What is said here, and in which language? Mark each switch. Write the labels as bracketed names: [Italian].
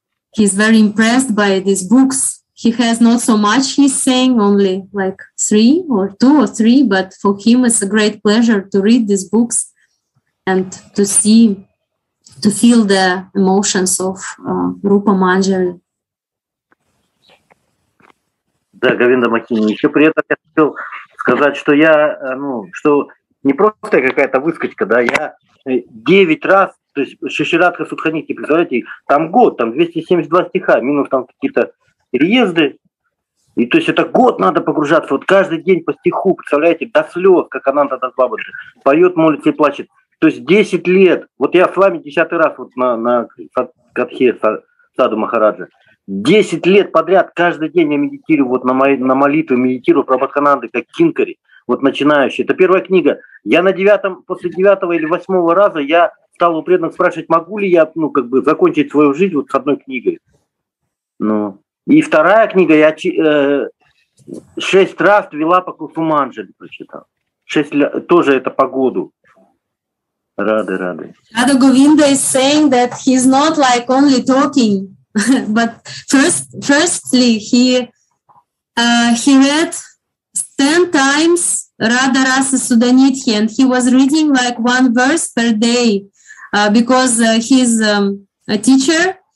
[English] He's very impressed by these books. He has not so much, he's saying, only like two or three, but for him it's a great pleasure to read these books and to see, to feel the emotions of Rupa Manjari. [Russian] Да, Говинда Махини, еще при этом я хотел сказать, что я, ну, что не просто какая-то выскочка, да, я 9 раз, то есть Шиширадха Судханики, представляете, там год, там 272 стиха, минус там какие-то переезды, и то есть это год надо погружаться, вот каждый день по стиху, представляете, до слез, как Ананта Дас Бабаджи поет, молится и плачет. То есть 10 лет, вот я с вами 10-й раз вот на Катхе Саду Махараджа, 10 лет подряд каждый день я медитирую вот на молитву, медитирую Прабхакананды как кинкари, вот начинающий. Это первая книга. Я на 9-м, после 9-го или 8-го раза я стал у преданных спрашивать, могу ли я, ну, как бы закончить свою жизнь вот с одной книгой. Ну, и вторая книга, я 6 раз Вилапа Кусуманджали прочитал. 6 тоже это по году. Рады. [English] Рада Говинда is saying that he's not like only talking, but firstly he read 10 times Radha Rasa Sudanidhi, and he was reading like one verse per day because he's a teacher.